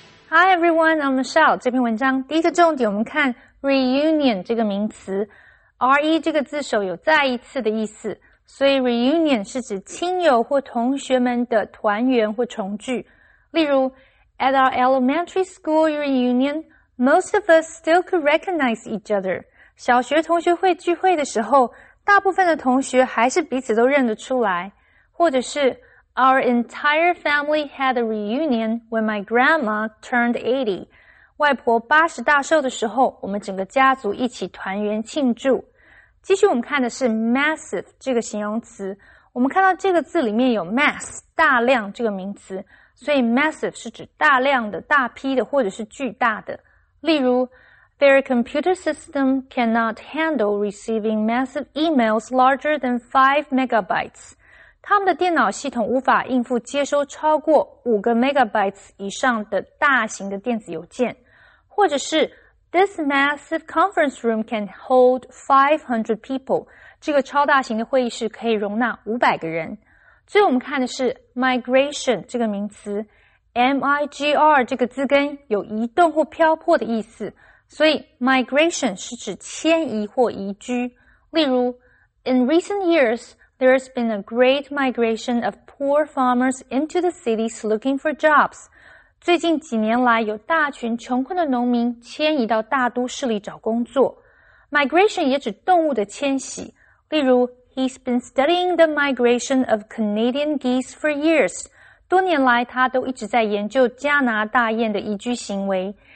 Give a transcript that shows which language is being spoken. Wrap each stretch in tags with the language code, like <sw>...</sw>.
<en>Hi everyone, I'm Michelle.</en> <zh>这篇文章第一个重点我们看 reunion 这个名词。 RE 这个字首有再一次的意思，所以 reunion 是指亲友或同学们的团圆或重聚。</zh> <en>例如 ,at our elementary school reunion, most of us still could recognize each other.</en> <zh>小学同学会聚会的时候，大部分的同学还是彼此都认得出来。</zh> <en>或者是 ,our entire family had a reunion when my grandma turned 80.</en> <zh>外婆八十大寿的时候，我们整个家族一起团圆庆祝。继续我们看的是 massive 这个形容词。我们看到这个字里面有 mass, 大量这个名词。所以 massive 是指大量的、大批的或者是巨大的。</zh> <en>例如 ,their computer system cannot handle receiving massive emails larger than 5 megabytes.</en> <zh>他们的电脑系统无法应付接收超过5 megabytes 以上的大型的电子邮件。</zh> <en>或者是 ,this massive conference room can hold 500 people.</en> <zh>这个超大型的会议室可以容纳500个人。最后我们看的是 migration 这个名词。MIGR 这个字根有移动或漂泊的意思。所以 migration 是指迁移或移居。</zh> <en>例如 ,in recent years, there has been a great migration of poor farmers into the cities looking for jobs.</en> <zh>最近几年来有大群穷困的农民迁移到大都市里找工作。 Migration 也指动物的迁徙。</zh> <en>例如 ,he's been studying the migration of Canadian geese for years.</en> <zh>多年来他都一直在研究加拿大雁的移居行为。</zh>